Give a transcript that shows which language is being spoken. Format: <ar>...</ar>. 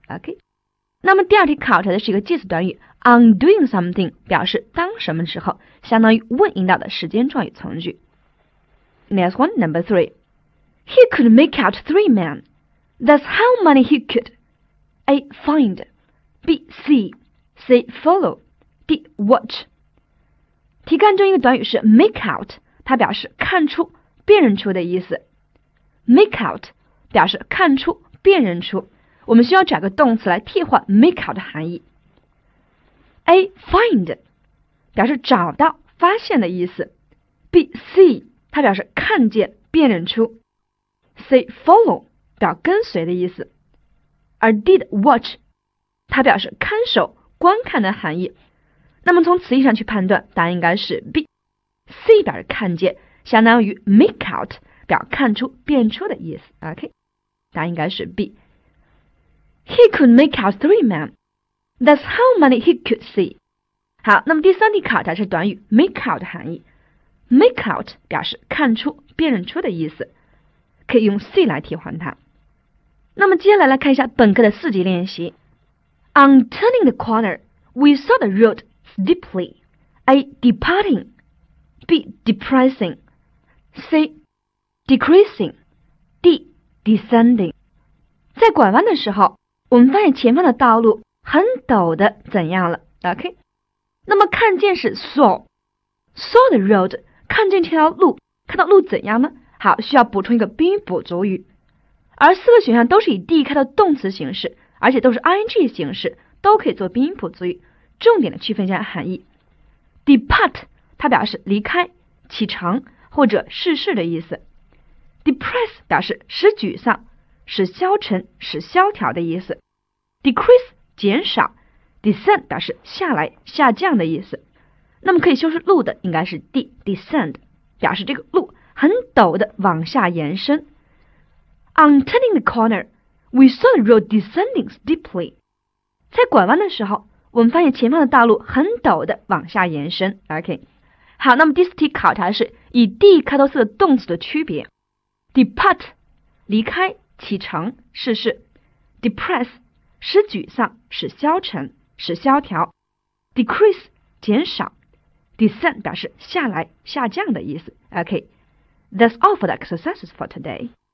<zh>OK， 那么第二题考察的是一个介词短语 on doing something，表示当什么时候，相当于 when 引导的时间状语从句。</zh> <en>Next one number three， He could make out three men. That's how many he could. A. Find. B. See. C. Follow. D. Watch.</en> <zh>题干中一个短语是 make out， 它表示看出、辨认出的意思。 Make out 表示看出、辨认出，我们需要找个动词来替换 make out 的含义。</zh> <en>A.</en> <zh>Find 表示找到、发现的意思。</zh> <en>B.</en> <zh>See 它表示看见、辨认出。</zh> <en>C. Follow.</en> <zh>表跟随的意思，而 did watch 它表示看守、观看的含义。那么从词义上去判断，答案应该是 B。C 表示看见，相当于 make out 表看出、辨出的意思。 OK， 答案应该是 B。</zh> <en>He could make out three men. That's how many he could see.</en> <zh>好，那么第三题考察是短语 make out 的含义。Make out 表示看出、辨认出的意思，可以用 C 来替换它。那么接下来来看一下本课的四级练习。</zh> <en>On turning the corner, we saw the road steeply. A. Departing. B. Depressing. C. Decreasing. D. Descending.</en> <zh>在拐弯的时候，我们发现前方的道路很陡的怎样了 ？OK。那么看见是 saw. Saw the road. 看见这条路，看到路怎样呢？好，需要补充一个宾语补足语，而四个选项都是以 D 开头动词形式，而且都是 ing 形式，都可以做宾语补足语。重点的区分一下含义。Depart 它表示离开、启程或者逝世的意思。 Depress 表示使沮丧、使消沉、使萧条的意思。 Decrease 减少。Descend 表示下来、下降的意思。那么可以修饰路的应该是 D descend， 表示这个路。很陡的往下延伸。 On turning the corner,</zh> <en>We saw the road descending steeply.</en> <zh>在拐弯的时候，我们发现前方的大路很陡的往下延伸。 OK， 好，那么第四题考察的是以 D 开头式的动词的区别。 Depart， 离开，启程，试试。 Depress， 使沮丧，使消沉，使萧条。 Decrease， 减少。</zh> <en>Descend 表示下来、下降的意思。 OK， that's all for the exercises for today.</en>